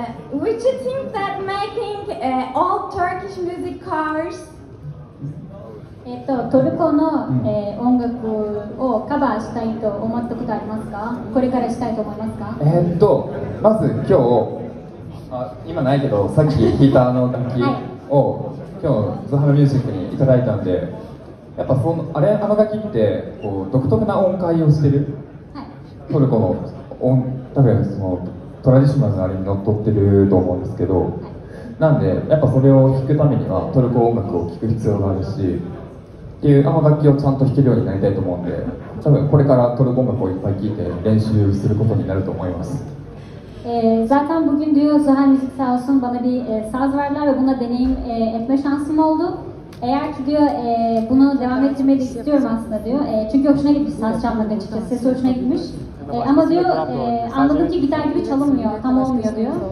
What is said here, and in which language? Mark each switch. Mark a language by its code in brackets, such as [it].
[en] Which you think that making all Turkish music covers? [ja] トルコの、音楽をカバーしたいと思ったことありますか？これからしたいと思いますか？まず今日、今ないけどさっき弾いたあの楽器を、はい、今日ズハルミュージックにいただいたんで、やっぱそのあれあの楽器ってこう独特な音階をしてる、はい、トルコの音、多分そのトラディショナルなりに乗っ取ってると思うんですけど、なんでやっぱそれを弾くためにはトルコ音楽を聴く必要があるしっていう、あの楽器をちゃんと弾けるようになりたいと思うんで、多分これからトルコ音楽をいっぱい聴いて練習することになると思います。 [tr] Zaten bugün Duyo Zuhal Müzik sağ olsun bana bir saz verdiler ve buna deneyim etme şansım oldu. Eğer ki diyor bunu devam ettirmeyi de istiyorum aslında diyor. Çünkü hoşuna gitmiş saz çalmak açıkçası. Ses hoşuna gitmiş. Ama diyor anladım ki gitar gibi çalınmıyor, tam olmuyor diyor.